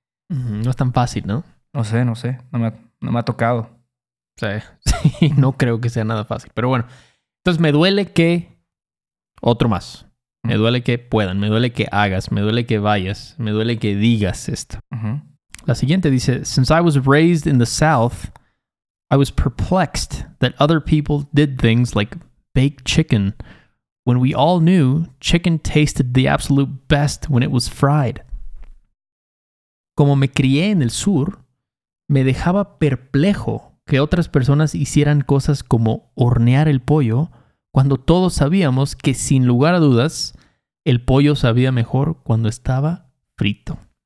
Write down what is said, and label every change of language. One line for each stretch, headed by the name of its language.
Spanish: No es tan fácil, ¿no? No sé. No me ha tocado. Sí, no creo que sea nada fácil. Pero bueno, entonces me duele que... Otro más. Me duele que puedan, me duele que hagas, me duele que vayas, me duele que digas esto. Uh-huh. La siguiente dice,
English: since I was raised in the South, I was perplexed that other people did things like baked chicken when we all knew chicken tasted the absolute best when it was fried.
Spanish: Como me crié en el sur, me dejaba perplejo que otras personas hicieran cosas como hornear el pollo cuando todos sabíamos que, sin lugar a dudas, el pollo sabía mejor cuando estaba frito.